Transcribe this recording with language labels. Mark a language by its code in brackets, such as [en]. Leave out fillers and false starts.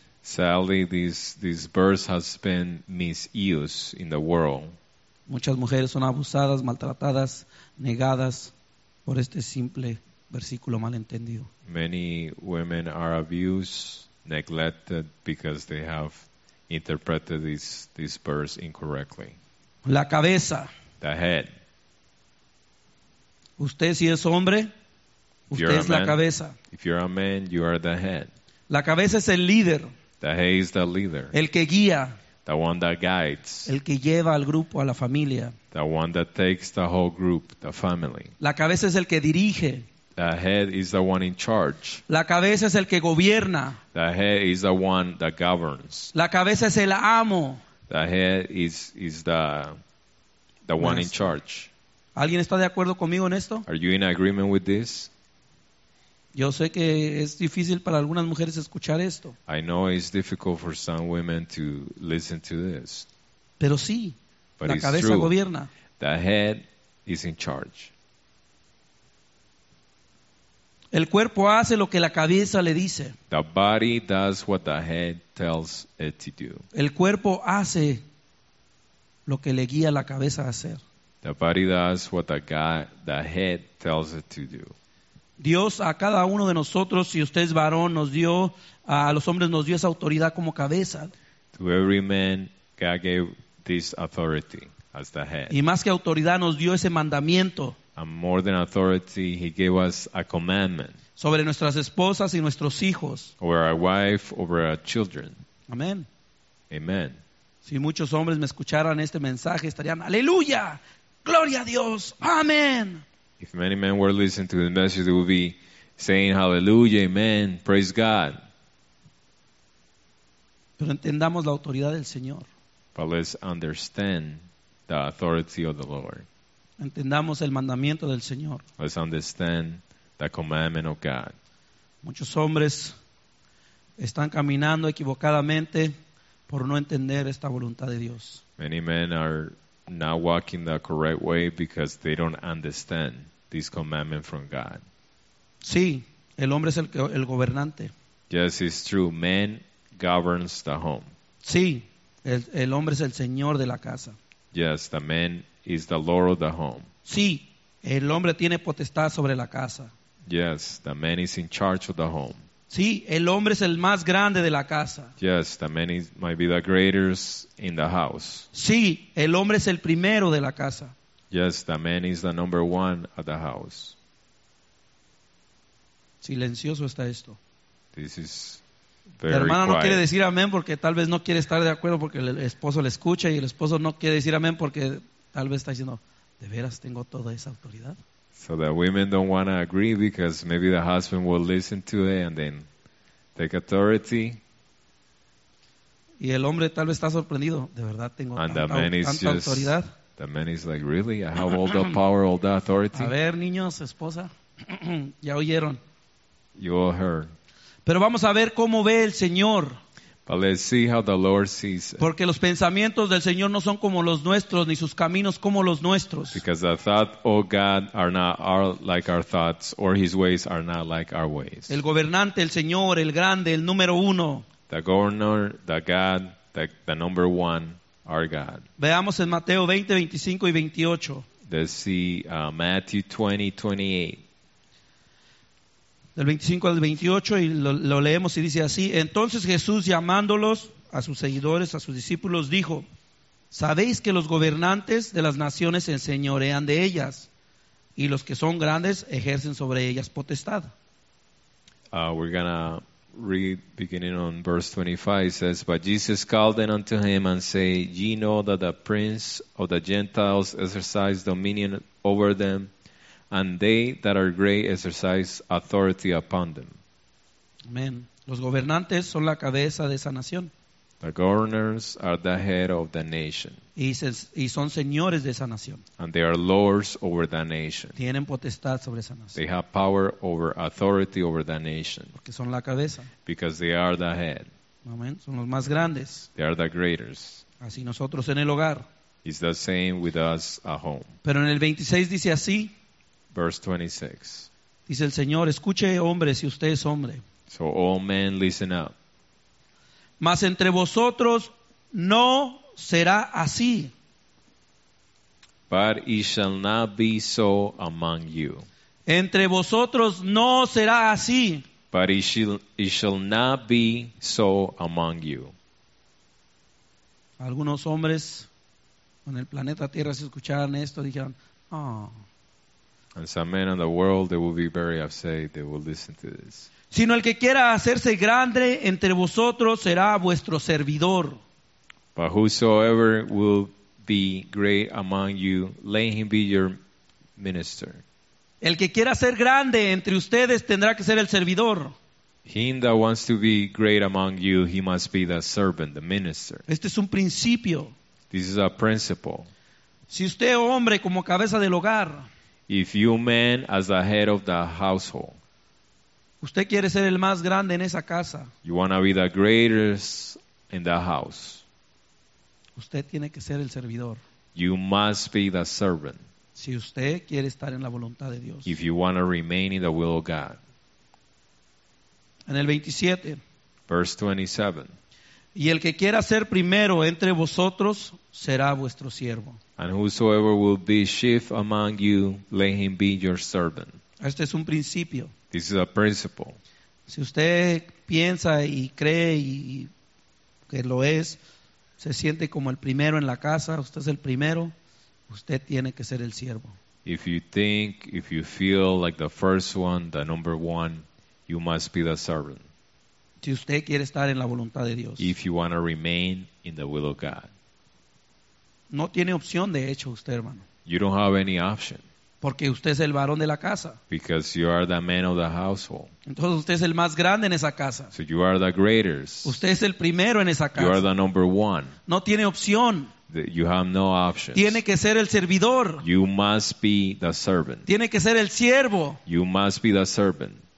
[en] Sadly, this verse has been misused in the world. [es] Muchas mujeres son abusadas, maltratadas, negadas por este simple versículo malentendido. [en] Many women are abused, neglected because they have interpreted this verse incorrectly. [es] La cabeza. [en] The head. [es] Usted si es hombre, usted es la cabeza. [en] If you're a man, you are the head. [es] La cabeza es el líder. [en] The head is the leader. [es] El que guía. [en] The one that guides. [es] El que lleva al grupo, a la familia. [en] The one that takes the whole group, the family. [es] La cabeza es el que dirige. [en] The head is the one in charge. [es] La cabeza es el que gobierna. [en] The head is the one that governs. [es] La cabeza es el amo. [en] The head is the one Master. In charge. [es] ¿Alguien está de acuerdo conmigo en esto? [en] Are you in agreement with this? [es] Yo sé que es difícil para algunas mujeres escuchar esto. [en] I know it's difficult for some women to listen to this. [es] Pero sí, [en] but [es] la cabeza [en] true. [es] Gobierna. [en] The head is in charge. [es] El cuerpo hace lo que la cabeza le dice. [en] The body does what the head tells it to do. [es] El cuerpo hace lo que le guía la cabeza a hacer. [en] The body does what the head tells it to do. [es] Dios a cada uno de nosotros, si usted es varón, nos dio, a los hombres nos dio esa autoridad como cabeza. [en] To every man, God gave this authority as the head. [es] Y más que autoridad, nos dio ese mandamiento. [en] And more than authority, he gave us a commandment. [es] Sobre nuestras esposas y nuestros hijos. [en] Over our wife, over our children. [es] Amén. [en] Amen. [es] Si muchos hombres me escucharan este mensaje, estarían, ¡Aleluya! ¡Gloria a Dios! ¡Amén! [en] If many men were listening to the message, they would be saying, Hallelujah, Amen, praise God. [es] Pero entendamos la autoridad del Señor. [en] But let's understand the authority of the Lord. [es] Entendamos el mandamiento del Señor. [en] Let's understand the commandment of God. [es] Muchos hombres están caminando equivocadamente por no entender esta voluntad de Dios. [en] Many men are not walking the correct way because they don't understand this commandment from God. [es] Sí, el hombre es el gobernante. [en] Yes, it's true. Man governs the home. [es] Sí, el hombre es el señor de la casa. [en] Yes, the man is the lord of the home. [es] Sí, el hombre tiene potestad sobre la casa. [en] Yes, the man is in charge of the home. [es] Sí, el hombre es el más grande de la casa. [en] Yes, the man might be the greatest in the house. [es] Sí, el hombre es el primero de la casa. [en] Yes, the man is the number one at the house. [es] Silencioso está esto. [en] This is very quiet. [es] La hermana [en] quiet. [es] No quiere decir amén porque tal vez no quiere estar de acuerdo porque el esposo le escucha y el esposo no quiere decir amén porque tal vez está diciendo, ¿de veras tengo toda esa autoridad? [en] So the women don't want to agree because maybe the husband will listen to it and then take authority. [es] Y el hombre tal vez está sorprendido. De verdad tengo tanta autoridad. [en] The man is like, really? I have all the power, all the authority? [es] A ver, niños, esposa. Ya oyeron. [en] You all heard. [es] Pero vamos a ver cómo ve el Señor. [en] But let's see how the Lord sees it. [es] Porque los pensamientos del Señor no son como los nuestros, ni sus caminos como los nuestros. [en] Because the thoughts of God are not like our thoughts, or His ways are not like our ways. [es] El gobernante, el Señor, el grande, el número uno. [en] The governor, the God, the number one, our God. [es] Veamos en Mateo 20, 25 y 28. [en] Let's see Matthew 20:28. [es] Del 25 al 28, y lo leemos y dice así: Entonces Jesús, llamándolos a sus seguidores, a sus discípulos, dijo: Sabéis que los gobernantes de las naciones se enseñorean de ellas, y los que son grandes ejercen sobre ellas potestad. [en] We're going to read beginning on verse 25. It says, But Jesus called them unto him and said, Ye know that the prince of the Gentiles exercise dominion over them, and they that are great exercise authority upon them. Amen. [es] Los gobernantes son la cabeza de esa nación. [en] The governors are the head of the nation. [es] Y son señores de esa nación. [en] And they are lords over the nation. [es] Tienen potestad sobre esa nación. [en] They have power over authority over the nation. [es] Porque son la cabeza. [en] Because they are the head. [es] Amen. Son los más grandes. [en] They are the greatest. [es] Así nosotros en el hogar. [en] It's the same with us at home. [es] Pero en el 26 dice así. [en] Verse 26. [es] Dice el Señor, escuche hombre, si usted es hombre. [en] So all men listen up. [es] Mas entre vosotros no será así. [en] But it shall not be so among you. [es] Entre vosotros no será así. [en] But it shall not be so among you. [es] Algunos hombres en el planeta Tierra, si escucharan esto, dijeron, oh. [en] And some men in the world, they will be very upset. They will listen to this. [es] Sino el que quiera hacerse grande entre vosotros será vuestro servidor. [en] But whosoever will be great among you, let him be your minister. [es] El que quiera ser grande entre ustedes tendrá que ser el servidor. [en] He that wants to be great among you, he must be the servant, the minister. [es] Este es un principio. [en] This is a principle. [es] Si usted hombre como cabeza del hogar. [en] If you man as the head of the household. [es] Usted quiere ser el más grande en esa casa. [en] You want to be the greatest in the house. [es] Usted tiene que ser el servidor. [en] You must be the servant. [es] Si usted quiere estar en la voluntad de Dios. [en] If you want to remain in the will of God. [es] En el 27. [en] Verse 27. [es] Y el que quiera ser primero entre vosotros será vuestro siervo. [en] And whosoever will be chief among you, let him be your servant. [es] Este es un principio. [en] This is a principle. [es] Si usted piensa y cree y que lo es, se siente como el primero en la casa, usted es el primero, usted tiene que ser el siervo. [en] If you think, if you feel like the first one, the number one, you must be the servant. [es] Si usted quiere estar en la voluntad de Dios. [en] If you want to remain in the will of God. [es] No tiene opción, de hecho, usted, hermano. [en] You don't have any option. [es] Porque usted es el varón de la casa. [en] Because you are the man of the household. [es] Entonces usted es el más grande en esa casa. [en] So you are the greatest. [es] Usted es el primero en esa casa. [en] You are the number one. [es] No tiene opción. [en] You have no options. [es] Tiene que ser el servidor. [en] You must be the servant. [es] Tiene que ser el siervo. [en] You must be the servant.